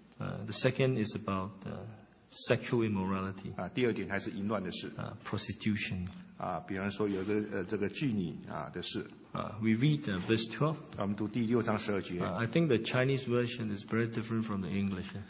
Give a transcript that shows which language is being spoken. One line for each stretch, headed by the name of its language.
English: The second is about sexual immorality.
Chinese: 第二点还是淫乱的事。
English: Prostitution.
Chinese: 比方说有个这个妓女的事。
English: We read verse 12.
Chinese: 我们读第六章十二节。
English: I think the Chinese version is very different from the English.